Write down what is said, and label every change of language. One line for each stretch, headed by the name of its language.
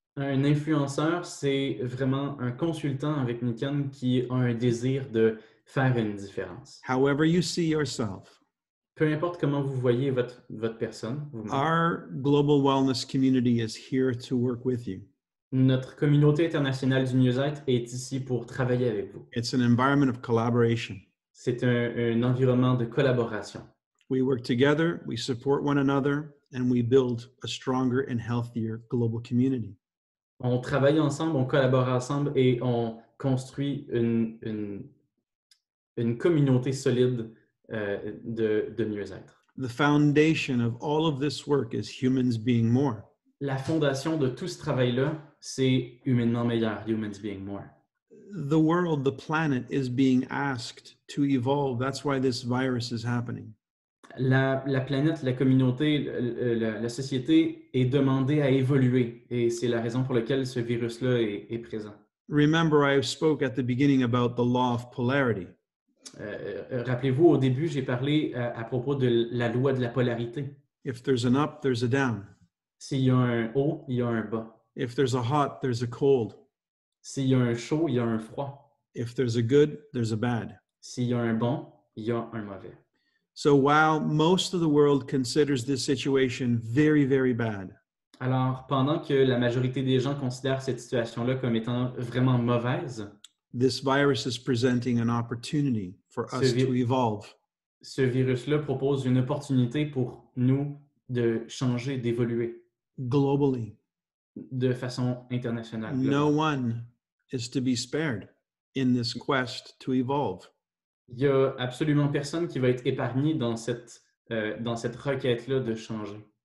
French: Un influenceur, c'est vraiment un consultant avec Nikon qui a un désir de faire une différence.
English: However you see yourself,
French: peu importe comment vous voyez votre personne, vous-même.
English: Our global wellness community is here to work with you.
French: Notre communauté internationale du mieux-être est ici pour travailler avec vous.
English: It's an environment of collaboration.
French: C'est un environnement de collaboration.
English: We work together, we support one another, and we build a stronger and healthier global community.
French: On travaille ensemble, on collabore ensemble et on construit une communauté solide de mieux-être.
English: The foundation of all of this work is humans being more.
French: La fondation de tout ce travail-là, c'est humainement meilleur,
English: humans being more. The world, the planet is being asked to evolve. That's why this virus is happening.
French: La planète, la communauté, la société est demandée à évoluer et c'est la raison pour laquelle ce virus-là est présent.
English: Remember, I spoke at the beginning about the law of polarity.
French: Rappelez-vous, au début, j'ai parlé à propos de la loi de la polarité.
English: If there's an up, there's a down.
French: S'il y a un haut, il y a un bas.
English: If there's a hot, there's a cold.
French: S'il y a un chaud, il y a un froid.
English: If there's a good, there's a bad.
French: S'il y a un bon, il y a un mauvais.
English: So while most of the world considers this situation very, very bad,
French: alors pendant que la majorité des gens considèrent cette situation-là comme étant vraiment mauvaise,
English: this virus is presenting an opportunity for us to evolve.
French: Ce virus-là propose une opportunité pour nous de changer, d'évoluer.
English: Globally.
French: De façon internationale.
English: Globale. No one is to be spared in this quest to evolve.
French: Il n'y a absolument personne qui va être épargné dans cette requête-là de changer.